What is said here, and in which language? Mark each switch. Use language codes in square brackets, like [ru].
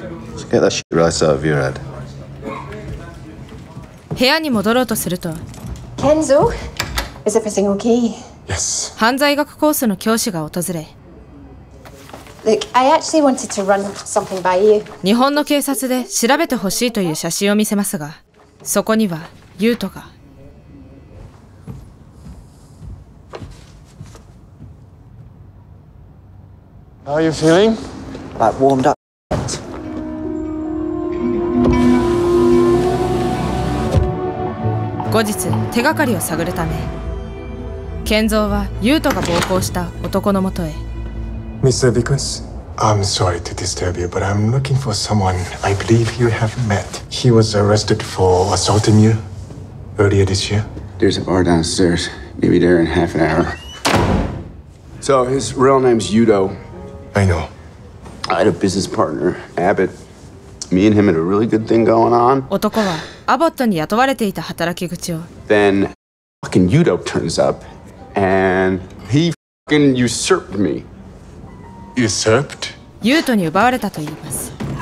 [en] Let's get that shit right out of your head. [ja] 部屋に戻ろうとすると、 [en] Kenzo? Is everything okay? Yes. [ja] 犯罪学コースの教師が訪れ、 [en] Look, I actually wanted to run something by you. [ja] 日本の警察で調べてほしいという写真を見せますが、そこにはユートが。 [en] How are you feeling? Like warmed up. [ja] 後日、手がかりを探るため、健三はユートが暴行した男のもとへ。 [en] Mr. Vickers, I'm sorry to disturb you, but I'm looking for someone I believe you have met. He was arrested for assaulting you earlier this year. There's a bar downstairs. Maybe there in half an hour. So his real name's Yudo. I know. I had a business partner, Abbott. Me and him had a really good thing going on. [ja] 男はアボットに雇われていた働き口を。 [en] Then fucking Yudo turns up. And he f***ing usurped me. Usurped? [ja] ユートに奪われたと言います。